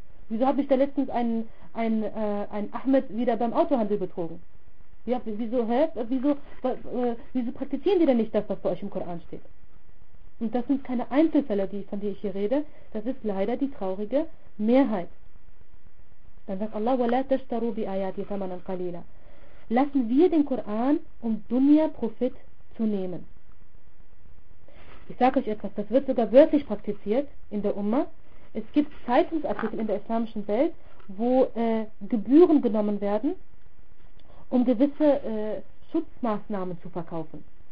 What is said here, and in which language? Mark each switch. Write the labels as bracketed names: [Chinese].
[German] Wieso habe ich da letztens einen Ahmed wieder beim Autohandel betrogen? Ja, wieso praktizieren die denn nicht das, was bei euch im Koran steht? Und das sind keine Einzelfälle, von denen ich hier rede. Das ist leider die traurige Mehrheit. Dann sagt Allah, [Arabic] وَلَا تَشْتَرُوا بِآيَاتِ ثَمَنًا قَلِيلًا. [German] Lassen wir den Koran, um Dunya Profit zu nehmen. Ich sage euch etwas, das wird sogar wörtlich praktiziert in der Umma. Es gibt Zeitungsartikel in der islamischen Welt, wo Gebühren genommen werden, um gewisse Schutzmaßnahmen zu verkaufen.